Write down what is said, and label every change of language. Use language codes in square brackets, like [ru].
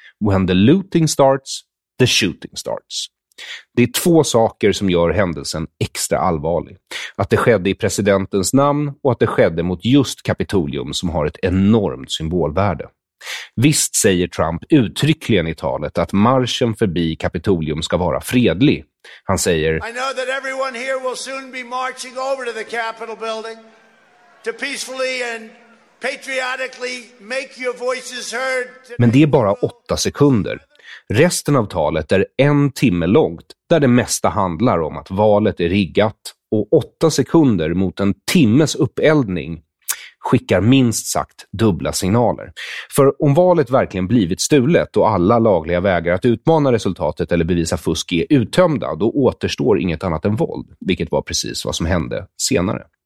[en] When the looting starts, the shooting starts. [sv] Det är 2 saker som gör händelsen extra allvarlig. Att det skedde i presidentens namn och att det skedde mot just Kapitolium som har ett enormt symbolvärde. Visst säger Trump uttryckligen i talet att marschen förbi Kapitolium ska vara fredlig. Han säger, [en] I know that everyone here will soon be marching over to the Capitol building to peacefully and patriotically make your voices heard. [sv] Men det är bara 8 sekunder. Resten av talet är 1 timme långt där det mesta handlar om att valet är riggat och 8 sekunder mot en timmes uppeldning skickar minst sagt dubbla signaler. För om valet verkligen blivit stulet och alla lagliga vägar att utmana resultatet eller bevisa fusk är uttömda, då återstår inget annat än våld, vilket var precis vad som hände senare.